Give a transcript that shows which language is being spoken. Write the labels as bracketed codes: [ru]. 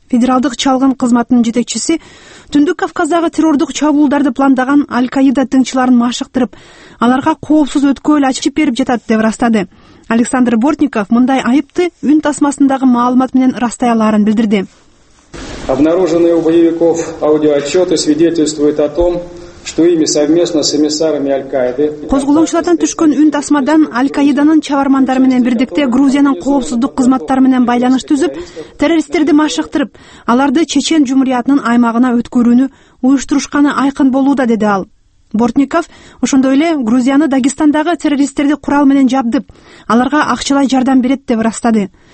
[ky] Федералдык чалгын кызматынын жетекчиси Түндүк Кавказдагы террордук чабуулдарды пландаган Аль-Каида тыңчыларын машыктырып, аларга коопсуз өткөл ачып берип жатат деп ырастады. Александр Бортников мындай айыпты үн тасмасындагы маалымат менен ырастай аларын билдирди. [ru] Обнаруженные у боевиков аудиоотчеты свидетельствуют о том, что ими совместно с эмиссарами Аль-Каиды. [ky] Козголоңчулардан түшкөн үн тасмадан Аль-Каиданын чабармандары менен бирдикте Грузиянын коопсуздук кызматтары менен байланыш түзүп, террористтерди машыктырып, аларды Чечен Жумуриятынын аймагына өткөрүүнү уюштурушканы айкын болууда, деди ал. Бортников ошондой эле Грузияны Дагестандагы террористтерди курал менен жабдып, аларга акчалай жардам берет деп ырастады.